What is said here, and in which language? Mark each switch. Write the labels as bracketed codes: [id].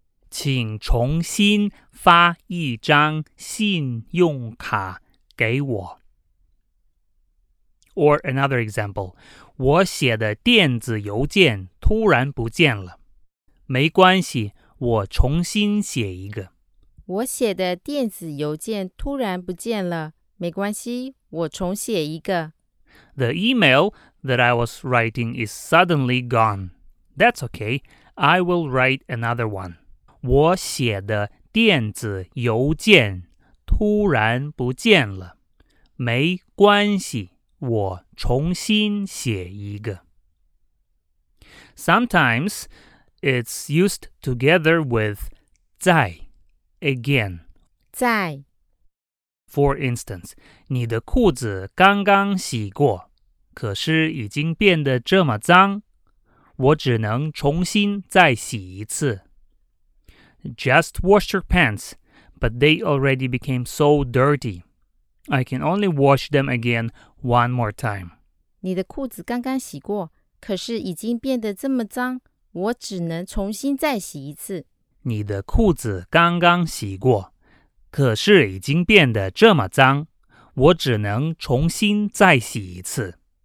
[zh] 请重新发一张信用卡给我 [en] Or another example, [zh] 我写的电子邮件突然不见了。没关系我重新写一个。我写的电子邮件突然不见了。没关系,我重写一个。 [en] The email that I was writing is suddenly gone. That's okay. I will write another one. [zh] 我写的电子邮件突然不见了。没关系,我重新写一个。 [en] Sometimes,It's used together with 再, again. [zh] 再. [en] For instance, [zh] 你的裤子刚刚洗过，可是已经变得这么脏，我只能重新再洗一次。 [en] Just wash your pants, but they already became so dirty. I can only wash them again one more time. [zh] 你的裤子刚刚洗过，可是已经变得这么脏，我只能重新再洗一次。你的裤子刚刚洗过，可是已经变得这么脏，我只能重新再洗一次。